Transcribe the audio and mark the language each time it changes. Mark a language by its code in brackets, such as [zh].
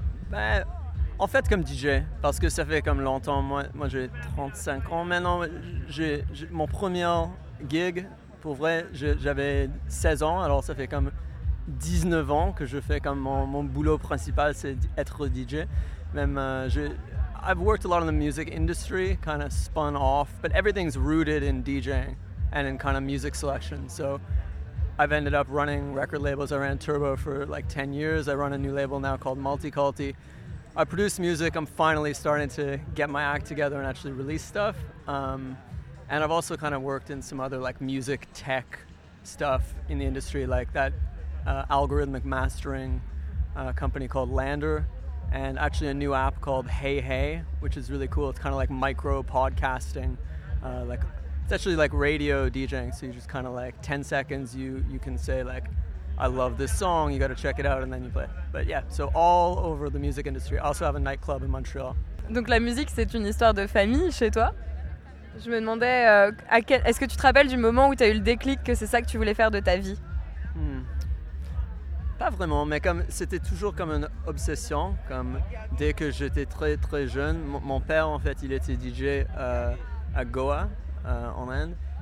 [fr] Ben, en fait, comme DJ, parce que ça fait comme longtemps. Moi j'ai 35 ans maintenant. J'ai mon premier gig, pour vrai, j'avais 16 ans. Alors ça fait comme 19 ans que je fais comme mon boulot principal, c'est être DJ. Même, [en] I've worked a lot in the music industry, kind of spun off, but everything's rooted in DJing and in kind of music selection. So I've ended up running record labels. I ran Turbo for like 10 years. I run a new label now called Multiculti. I produce music. I'm finally starting to get my act together and actually release stuff. And I've also kind of worked in some other like music tech stuff in the industry, like that algorithmic mastering company called Lander, and actually a new app called Hey Hey, which is really cool. It's kind of like micro podcasting, like it's actually like radio DJing. So you just kind of like 10 seconds, you can say like, I love this song, you got to check it out, and then you play. But yeah, so all over the music industry. I also have a nightclub in Montreal. [fr] Donc la musique, c'est une histoire de famille chez toi. Je me demandais, est-ce que tu te rappelles du moment où tu as eu le déclic que c'est ça que tu voulais faire de ta vie? Pas vraiment, mais comme c'était toujours comme une obsession. Comme dès que j'étais très très jeune, mon père en fait, il était DJ à Goa, en Inde.